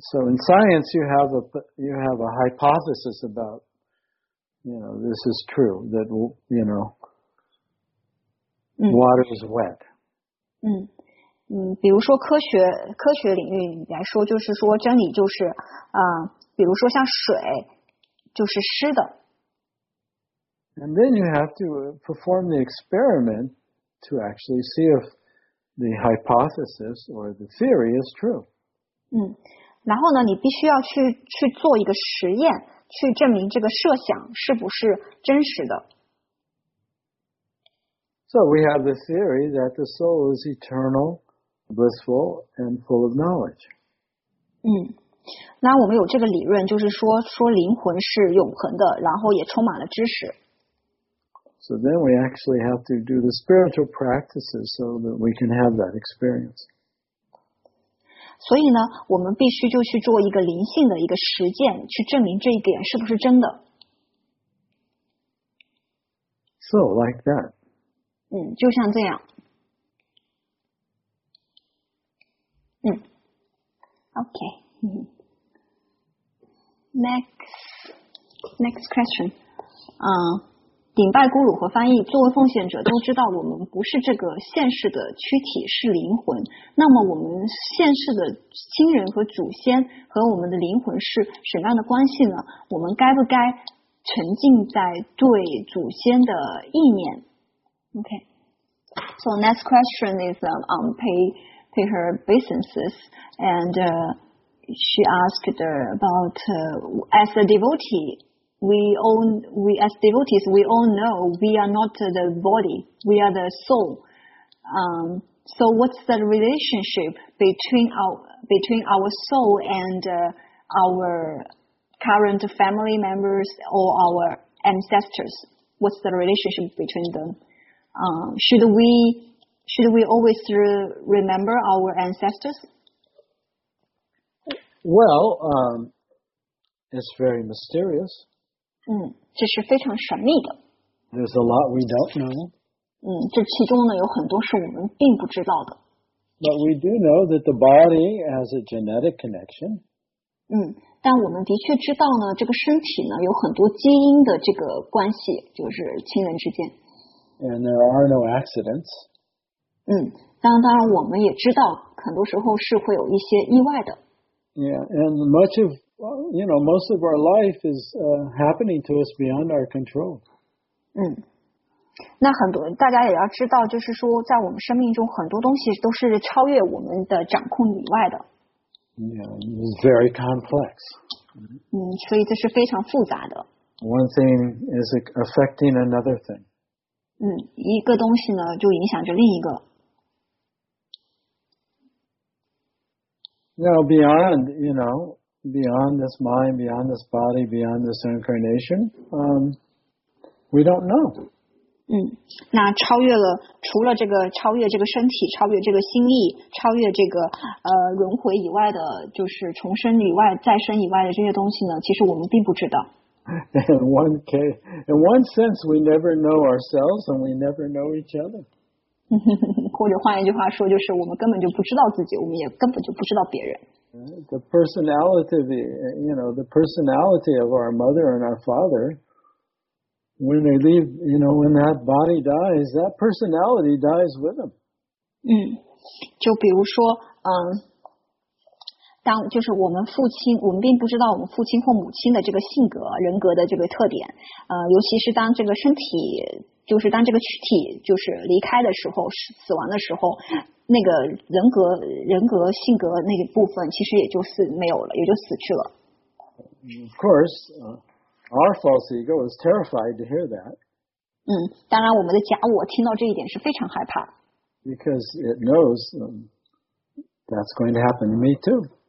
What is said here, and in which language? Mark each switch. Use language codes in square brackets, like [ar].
[en] So in science, you have a hypothesis about, you know, this is true that, you know, water is wet. [zh] 比如说科学领域来说，就是说真理就是比如说像水就是湿的。 [en] And then you have to perform the experiment to actually see if the hypothesis or the theory is true. [zh] 然后呢，你必须要去做一个实验，去证明这个设想是不是真实的。 [en] So we have the theory that the soul is eternal, blissful, and full of knowledge. [zh] 那我们有这个理论，就是说灵魂是永恒的，然后也充满了知识。 [en] So then we actually have to do the spiritual practices so that we can have that experience. [zh] 所以呢，我们必须就去做一个灵性的一个实践，去证明这一点是不是真的。 [en] So like that. [zh] 就像这样。 [en] OK. Next question. [zh] 顶拜咕噜和翻译，作为奉献者都知道我们不是这个现世的躯体，是灵魂。那么我们现世的亲人和祖先和我们的灵魂是什么样的关系呢？我们该不该沉浸在对祖先的意念 ？OK. [en] So next question is on pay her businesses and she asked about as a devotee. We as devotees, we all know we are not the body, we are the soul. So what's the relationship between our soul and our current family members or our ancestors? What's the relationship between them? Should we always remember our ancestors? Well, it's very mysterious. [zh] 这是非常神秘的。 [en] There's a lot we don't know. [zh] 这其中呢有很多是我们并不知道的。 [en] But we do know that the body has a genetic connection. [zh] 但我们的确知道呢，这个身体呢有很多基因的这个关系，就是亲人之间。 [en] And there are no accidents. [zh] 当然我们也知道，很多时候是会有一些意外的。 [en] Yeah, and much of,you know, most of our life is happening to us beyond our control. [zh] 那很多大家也要知道，就是说在我们生命中很多东西都是超越我们的掌控以外的。 [en] Yeah, it's very complex. [zh] 所以这是非常复杂的。 [en] One thing is affecting another thing. [zh] 一个东西呢就影响着另一个。 [en] Now, beyond, you know,beyond this mind, beyond this body, beyond this incarnation, we don't know. [zh] 那超越了，除了这个超越这个身体，超越这个心意，超越这个轮回以外的，就是重生以外、再生以外的这些东西呢，其实我们并不知道。 [en] In one sense, we never know ourselves and we never know each other. [zh] 或者换一句话说，就是我们根本就不知道自己，我们也根本就不知道别人。 [en] The personality, you know, the personality of our mother and our father, when they leave, you know, when that body dies, that personality dies with them. [zh] 就比如说，当就是我们父亲，我们并不知道我们父亲或母亲的这个性格、人格的这个特点。尤其是当这个身体，就是当这个躯体就是离开的时候，死亡的时候。那个人格性格那个部分其实也就是没有了，也就死去了。 [en] Of course, our false ego is terrified to hear that. [zh] 当然我们的假我听到这一点是非常害怕。 [en] Because it knows, that's going to happen to me too.